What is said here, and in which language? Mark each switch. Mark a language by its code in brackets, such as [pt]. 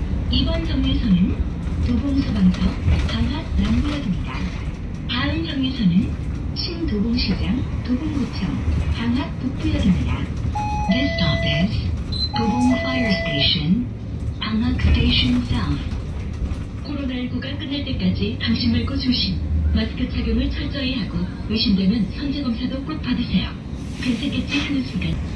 [ko] 이번 정류소는 도봉소방서 방학 남구역입니다. 다음 정류소는 신도봉시장 도봉구청 방학 북부역입니다. [en] This stop is 도봉 Fire Station, 방학 Station South. [ko] 코로나19가 끝날 때까지 방심 말고 조심. 마스크 착용을 철저히 하고 의심되면 선제검사도 꼭 받으세요. 괜찮겠지 하는 순간.